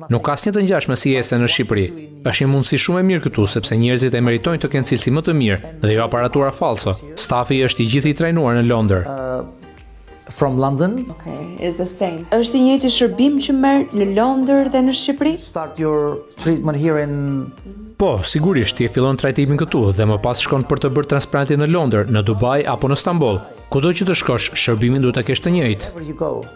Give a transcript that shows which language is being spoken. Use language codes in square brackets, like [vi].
[sq] Nuk ka asnjë të ngjashme si ESE në Shqipëri. Është një mundësi shumë e mirë këtu sepse njerëzit e meritojnë të kenë cilësi më të mirë dhe jo aparatura falso. Stafi është i gjithë i trajnuar në Londër. [en] From London. Okay, is the same. [sq] Është i njëjti shërbim që merr në Londër dhe në Shqipëri? [en] Start your treatment here in. [sq] Po, sigurisht ti e fillon trajtimin këtu dhe më pas shkon për të bërë transplantin në Londër, në Dubai apo në Istanbul. Kudo që të shkosh, shërbimin duhet ta kesh të njëjtë.